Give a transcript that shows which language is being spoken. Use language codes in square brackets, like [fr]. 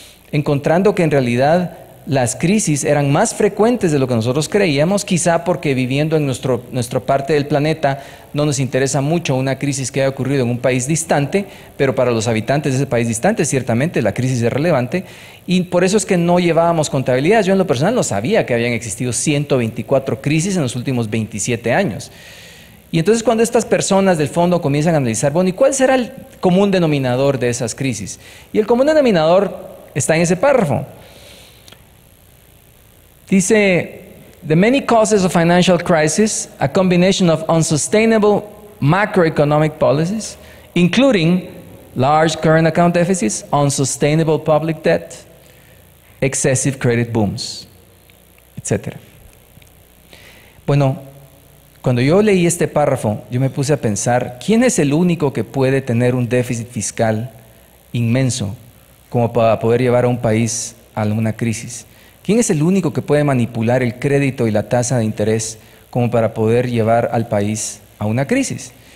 [es] encontrando que en realidad las crisis eran más frecuentes de lo que nosotros creíamos, quizá porque viviendo en nuestra parte del planeta no nos interesa mucho una crisis que haya ocurrido en un país distante, pero para los habitantes de ese país distante ciertamente la crisis es relevante, y por eso es que no llevábamos contabilidad. Yo en lo personal no sabía que habían existido 124 crisis en los últimos 27 años. Y entonces cuando estas personas del fondo comienzan a analizar, bueno, ¿y cuál será el común denominador de esas crisis? Y el común denominador está en ese párrafo. Dice, [en] the many causes of financial crisis, a combination of unsustainable macroeconomic policies, including large current account deficits, unsustainable public debt, excessive credit booms, etc. [es] Bueno, cuando yo leí este párrafo, yo me puse a pensar, ¿quién es el único que puede tener un déficit fiscal inmenso como para poder llevar a un país a una crisis? ¿Quién es el único que puede manipular el crédito y la tasa de interés como para poder llevar al país a una crisis?